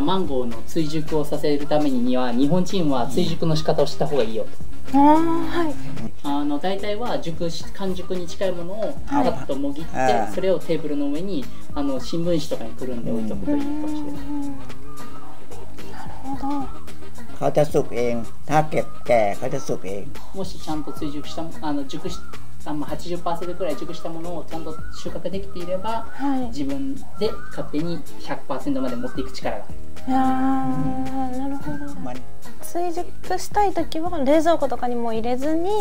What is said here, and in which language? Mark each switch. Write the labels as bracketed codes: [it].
[ja] マンゴーの追熟をさせるためには日本人は追熟の仕方をした方がいいよ。はい、大体は熟し完熟に近いものをカッともぎって、それをテーブルの上に新聞紙とかにくるんで置いておくといいかもしれない。 [th] เขาจะสุกเองถ้าเก็บแก่เขาจะสุกเอง [ja] もしちゃんと追熟した熟し 80% くらい熟したものをちゃんと収穫できていれば、はい、自分で勝手に 100% まで持っていく力がある。いやなるほど、まあ、追熟したい時は冷蔵庫とかにも入れずに